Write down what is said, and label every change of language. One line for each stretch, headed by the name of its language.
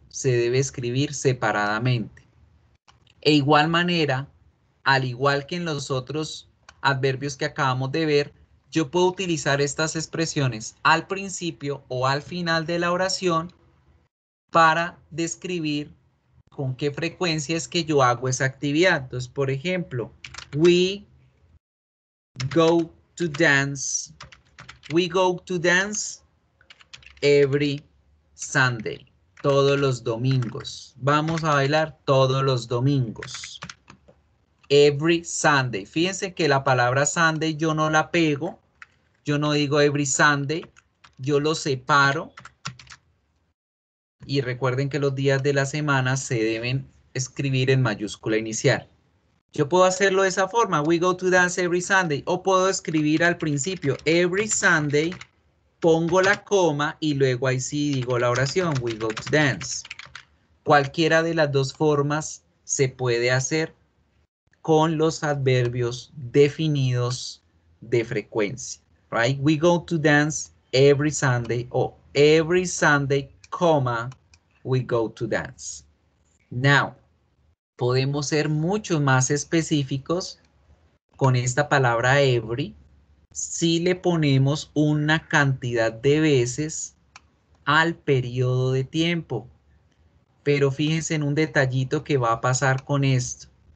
Spanish: Se debe escribir separadamente. E igual manera, al igual que en los otros adverbios que acabamos de ver, yo puedo utilizar estas expresiones al principio o al final de la oración para describir con qué frecuencia es que yo hago esa actividad. Entonces, por ejemplo,
English: we go to dance. We go to dance every Sunday.
Spanish: Todos los domingos. Vamos a bailar todos los domingos.
English: Every Sunday.
Spanish: Fíjense que la palabra Sunday yo no la pego. Yo no digo
English: every Sunday,
Spanish: yo lo separo. Y recuerden que los días de la semana se deben escribir en mayúscula inicial. Yo puedo hacerlo de esa forma,
English: we go to dance every Sunday.
Spanish: O puedo escribir al principio,
English: every Sunday,
Spanish: pongo la coma y luego ahí sí digo la oración,
English: we go to dance.
Spanish: Cualquiera de las dos formas se puede hacer con los adverbios definidos de frecuencia.
English: Right? We go to dance every Sunday, or every Sunday, comma, we go to dance.
Spanish: Now, podemos ser mucho más específicos con esta palabra every si le ponemos una cantidad de veces al periodo de tiempo. Pero fíjense en un detallito que va a pasar con esto.